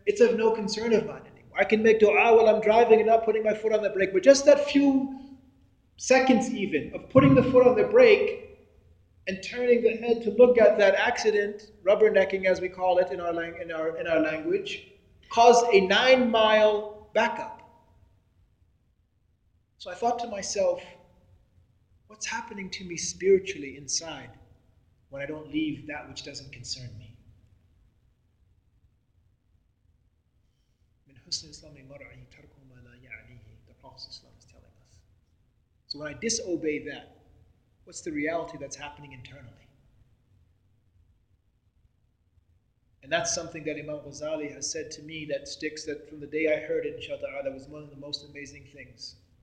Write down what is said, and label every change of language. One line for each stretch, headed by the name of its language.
English: It's of no concern of mine anymore. I can make dua while I'm driving and not putting my foot on the brake, but just that few seconds even of putting the foot on the brake and turning the head to look at that accident, rubbernecking as we call it in our language, caused a 9 mile backup. So I thought to myself, what's happening to me spiritually inside when I don't leave that which doesn't concern me.
Arabic: من حسن الإسلام مرعي ترك ما لا يعنيه.
English: The Prophet is telling us. So when I disobey that, what's the reality that's happening internally? And that's something that Imam Ghazali has said to me that sticks, that from the day I heard it, inshallah ta'ala, was one of the most amazing things.